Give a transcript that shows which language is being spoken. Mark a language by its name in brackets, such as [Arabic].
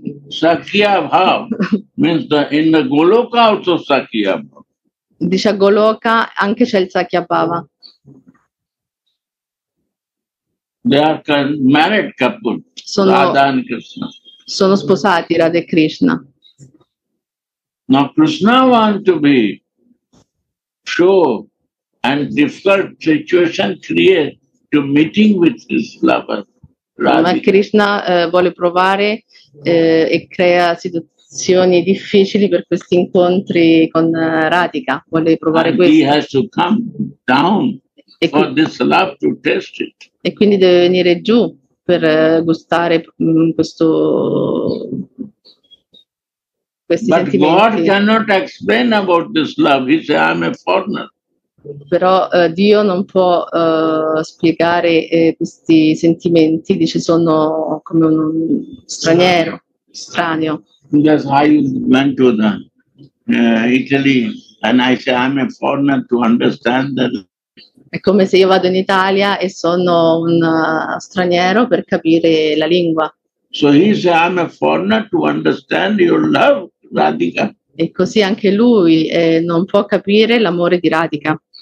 [English] Sakya bhav means the in the Goloka also Sakya bhav. [Italian] Dice a Goloka anche c'è il Sakya bhava. [English] They are married couple. [Italian] Sono, [English] Radha and Krishna. [Italian] Sono sposati Radha e Krishna. [English] Now Krishna wants to be sure and difficult situation create to meeting with his lover. [Italian] Ma Krishna vuole provare e crea situazioni difficili per questi incontri con Radhika. Vuole provare [English] and [Italian] questo. [English] He has to come down for this love to test it. [Italian] E quindi deve venire giù per gustare questo questi [English] but [Italian] sentimenti. [English] God cannot explain about this love. He says, I'm a foreigner. [Italian] Però Dio non può spiegare questi sentimenti, dice sono come un straniero, strano. [English] Yes, I went to the, Italy and I say I'm a foreigner to understand that. [Italian] È come se io vado in Italia e sono un straniero per capire la lingua. [English] So he say I'm a foreigner to understand your love, Radhika. [Italian] E così anche lui non può capire l'amore di Radhika.